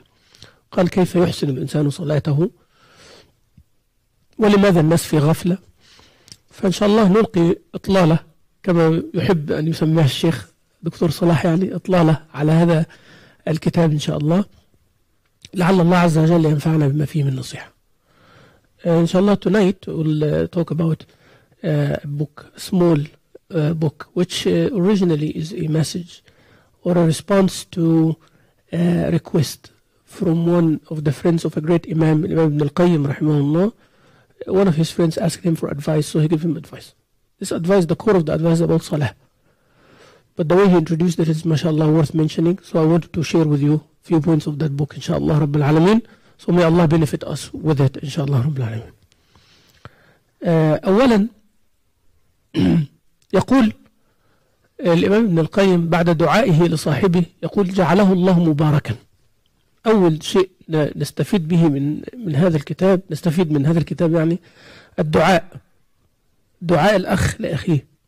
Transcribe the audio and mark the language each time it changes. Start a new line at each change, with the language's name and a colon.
Arabic: يعني قال كيف يحسن الإنسان صلاته، ولماذا الناس في غفلة. فإن شاء الله نلقي إطلالة كما يحب أن يسميها الشيخ دكتور صلاح، يعني إطلالة على هذا الكتاب إن شاء الله، لعل الله عز وجل ينفعنا بما فيه من نصيحة إن شاء الله.
English: tonight we'll talk about a book, a small book which originally is a message or a response to a request from one of the friends of a great imam, Imam Ibn al-Qayyim rahimahullah. One of his friends asked him for advice, so he gave him advice. This advice, the core of the advice is about salah. But the way he introduced it is, mashallah, worth mentioning. So I wanted to share with you a few points of that book, inshallah, Rabbil Alameen. So may Allah benefit us with it, inshallah, Rabbil Alameen.
Arabic: أولاً يقول الإمام ابن القيم بعد دعائه لصاحبه، يقول جعله الله مباركا. أول شيء نستفيد به من هذا الكتاب، نستفيد من هذا الكتاب يعني الدعاء، دعاء الأخ لأخيه.